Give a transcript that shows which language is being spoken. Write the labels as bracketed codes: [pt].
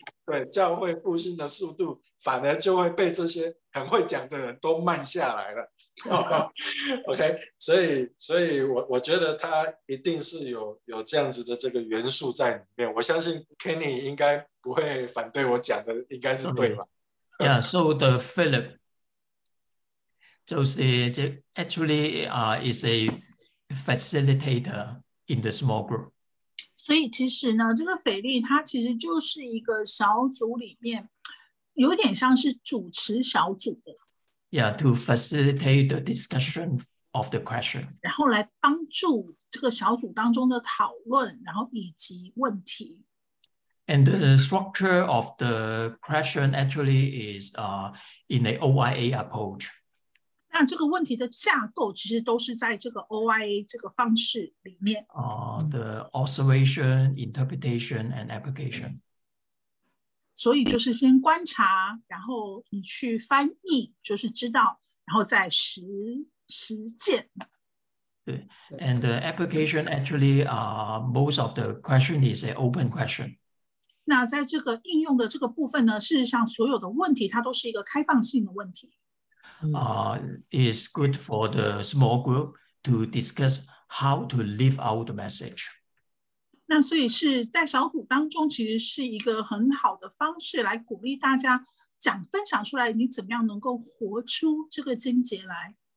[zh] 对，教会复兴的速度反而就会被这些很会讲的人都慢下来了OK， 所以 我觉得他一定是 有这样子的这个元素在里面，我相信 Kenny 应该不会反对我讲的，应该是对吧。 [en] Yeah, so the Philip [zh] 就是 [en] actually is a facilitator in the small group. [zh] 所以其实呢，这个腓力他其实就是一个小组里面有点像是主持小组的。 [en] Yeah, to facilitate the discussion of the question. [zh] 然后来帮助这个小组当中的讨论，然后以及问题。 [en] And the structure of the question actually is in the OIA approach. [zh] 那这个问题的架构其实都是在这个 OIA 这个方式里面。 [en] The observation, interpretation, and application. [zh] 所以就是先观察，然后你去翻译，就是知道，然后再实践。 [en] 对 ，and the application actually, most of the question is an open question. [zh] 那在这个应用的这个部分呢，事实上所有的问题它都是一个开放性的问题。 [en] Is good for the small group to discuss how to live out the message. [zh] 那所以是在小组当中其实是一个很好的方式来鼓励大家讲分享出来，你怎么样能够活出这个经节来？